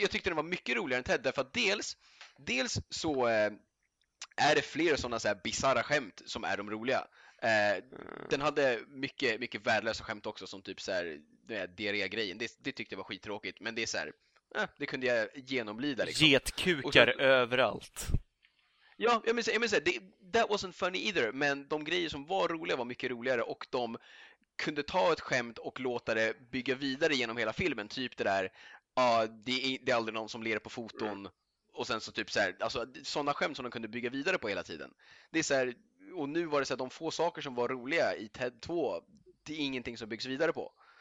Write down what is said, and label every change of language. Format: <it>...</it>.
<sv>Jag tyckte den var mycket roligare än Ted, därför att dels så är det flera sådana så här bizarra skämt som är de roliga. Den hade mycket, mycket värdelösa skämt också, som typ såhär diarré-grejen. Det tyckte jag var skittråkigt, men det är såhär, det kunde jag genomlida liksom. Getkukar så, överallt. Ja, jag menar,</sv> <en>that wasn't funny either.</en> <sv>Men de grejer som var roliga var mycket roligare, och de kunde ta ett skämt och låta det bygga vidare genom hela filmen. Typ det där det är aldrig någon som ler på foton. Och sen så typ såhär, alltså sådana skämt som de kunde bygga vidare på hela tiden. Det är såhär. Och nu var det så att de få saker som var roliga i TED 2, det är ingenting som byggs vidare på.</sv>